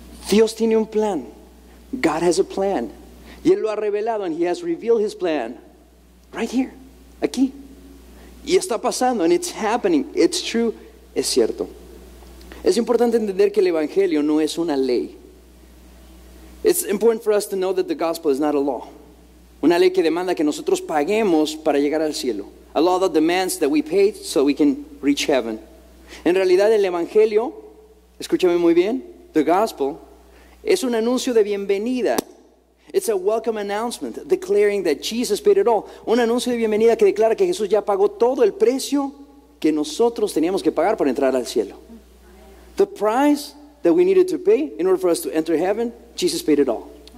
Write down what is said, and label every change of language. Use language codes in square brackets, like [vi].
[es] Dios tiene un plan. [en] God has a plan. [es] Y Él lo ha revelado, [en] and He has revealed His plan right here, aquí. [es] Y está pasando, [en] and it's happening. It's true. [es] Es cierto. Es importante entender que el Evangelio no es una ley. [en] It's important for us to know that the gospel is not a law. [es] Una ley que demanda que nosotros paguemos para llegar al cielo. [en] A law that demands that we pay so we can reach heaven. [es] En realidad, el Evangelio, escúchame muy bien, [en] the gospel, [es] es un anuncio de bienvenida. [en] It's a welcome announcement declaring that Jesus paid it all. [es] Un anuncio de bienvenida que declara que Jesús ya pagó todo el precio que nosotros teníamos que pagar para entrar al cielo. [en] The price that we needed to pay in order for us to enter heaven, Jesus paid it all.